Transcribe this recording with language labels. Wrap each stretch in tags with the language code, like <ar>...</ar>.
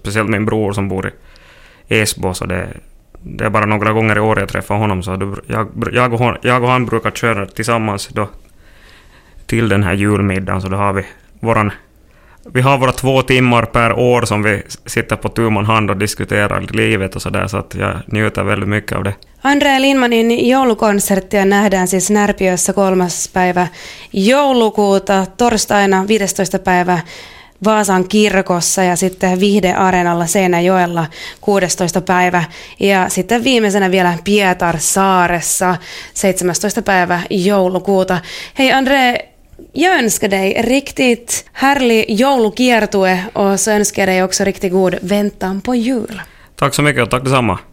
<sv>Speciellt min bror som bor i Esbo, så det är bara några gånger i år jag träffar honom. Så jag och han brukar köra tillsammans då till den här julmiddagen, så då har vi har våra två timmar per år som vi sitter på tumman hand och diskuterar livet och sådär, så att jag njuter väldigt mycket av det.</sv> <fi>André Lindmanin joulukonsertti nähdään siis Närpiössä 3. päivä joulukuuta, torstaina 15. päivä Vaasan kirkossa ja sitten Vihde-areenalla Seinäjoella 16. päivä ja sitten viimeisenä vielä Pietarsaaressa 17. päivä joulukuuta.</fi> <sv>Hei André, jag önskar dig riktigt härlig joulukiertue och så önskar jag dig också riktigt god väntan på jul. Tack så mycket och tack detsamma.</sv>